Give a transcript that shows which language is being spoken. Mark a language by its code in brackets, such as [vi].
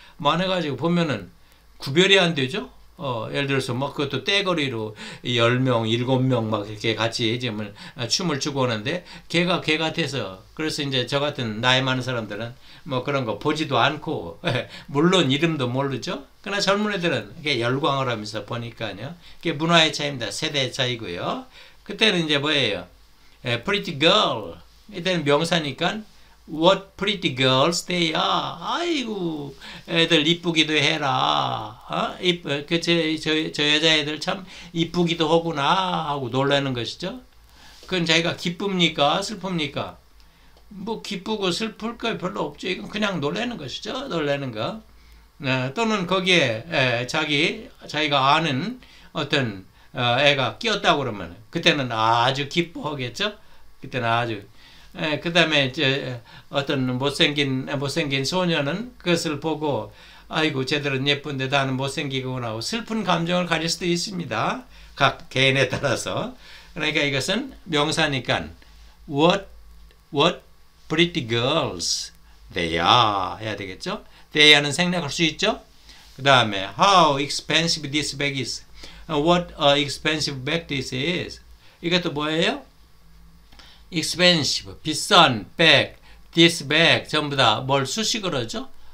[ko] 많아가지고 보면은 구별이 안 되죠? 예를 들어서 막 그것도 떼거리로 10명, 7명 막 이렇게 같이 지금 춤을 추고 오는데 걔가 걔 같아서 그래서 이제 저 같은 나이 많은 사람들은 뭐 그런 거 보지도 않고 물론 이름도 모르죠. 그러나 젊은 애들은 그게 열광을 하면서 보니까요. 그게 문화의 차이입니다. 세대의 차이고요. 그때는 이제 뭐예요? [en] Pretty girl. [ko] 이때는 명사니까 [en] What pretty girls they are. [ko] 아이고, 애들 이쁘기도 해라. 저 여자애들 참 이쁘기도 하구나 하고 놀라는 것이죠. 그건 자기가 기쁩니까? 슬픕니까? 뭐 기쁘고 슬플 거 별로 없죠. 이건 그냥 놀라는 것이죠. 놀라는 거. 또는 거기에 자기가 아는 어떤 애가 끼었다고 그러면 그때는 아주 기뻐하겠죠. 그때는 아주. 그 다음에 어떤 못생긴 소녀는 그것을 보고 아이고 쟤들은 예쁜데 나는 못생기구나 하고 슬픈 감정을 가질 수도 있습니다. 각 개인에 따라서. 그러니까 이것은 명사니까 [en] What pretty girls they are [ko] 해야 되겠죠. They are는 생략할 수 있죠. [en] 그 다음에 How expensive this bag is. What a expensive bag this is. [ko] 이것도 뭐예요? expensive, 비싼, bag, this bag, 전부 다뭘 수식으로 하죠?